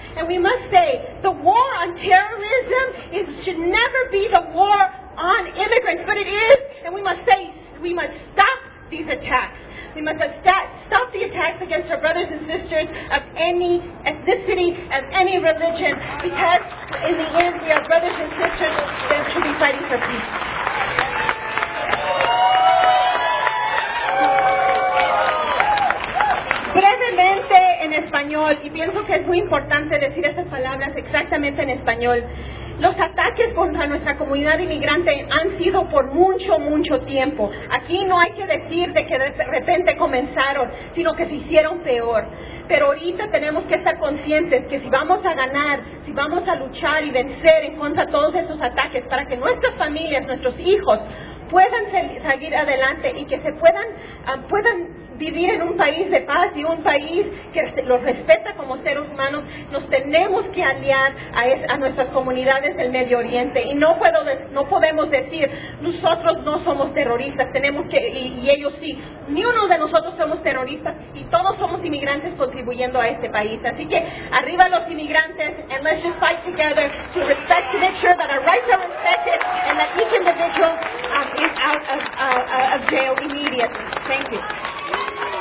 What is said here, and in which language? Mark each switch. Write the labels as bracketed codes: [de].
[en] And we must say the war on terrorism should never be the war on immigrants, but it is, and we must say, we must stop these attacks. We must stop the attacks against our brothers and sisters of any ethnicity, of any religion, because in the end, we are brothers and sisters that should be fighting for peace. [es] Brevemente en español, y pienso que es muy importante decir estas palabras exactamente en español. Los ataques contra nuestra comunidad inmigrante han sido por mucho, mucho tiempo. Aquí no hay que decir de que de repente comenzaron, sino que se hicieron peor. Pero ahorita tenemos que estar conscientes que si vamos a ganar, si vamos a luchar y vencer en contra de todos estos ataques para que nuestras familias, nuestros hijos, puedan seguir adelante y que se puedan vivir en un país de paz y un país que los respeta como seres humanos, nos tenemos que aliar a nuestras comunidades del Medio Oriente. Y no podemos decir, nosotros no somos terroristas, tenemos que, y ellos sí. Ni uno de nosotros somos terroristas y todos somos inmigrantes contribuyendo a este país. Así que, arriba los inmigrantes, [en] and let's just fight together to respect, to make sure that our rights are respected and that each individual is out of jail immediately. Thank you. Thank you.